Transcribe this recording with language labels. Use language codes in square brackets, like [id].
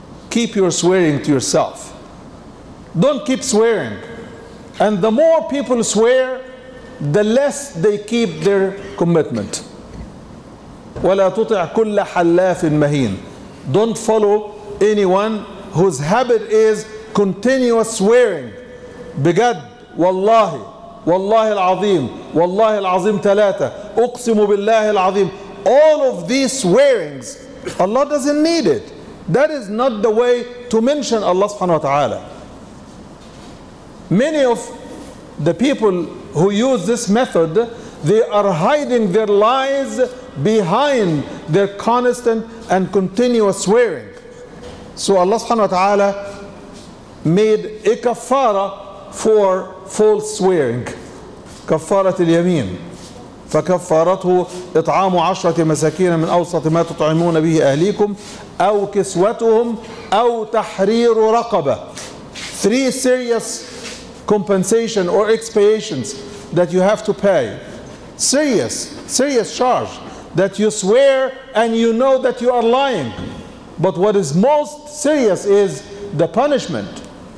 [en] Keep your swearing to yourself. Don't keep swearing. And the more people swear, the less they keep their commitment. [ar] وَلَا تُطِعْ كُلَّ حَلَّافٍ مَهِينٍ. [en] Don't follow anyone whose habit is continuous swearing. [ar] بجد والله والله العظيم والله العظيم ثلاثة أقسم بالله العظيم. [en] All of these swearings, Allah doesn't need it. That is not the way to mention Allah subhanahu wa ta'ala. Many of the people who use this method, they are hiding their lies behind their constant and continuous swearing. So Allah subhanahu wa ta'ala made a kafara for false swearing. [ar] كفارة اليمين. فكفارته إطعام عشرة مساكين من أوسط ما تطعمون به أهليكم أو كسوتهم أو تحرير رقبة. [en] Three serious compensation or expiations that you have to pay. Serious charge. that you swear and you know that you are lying. But what is most serious is the punishment.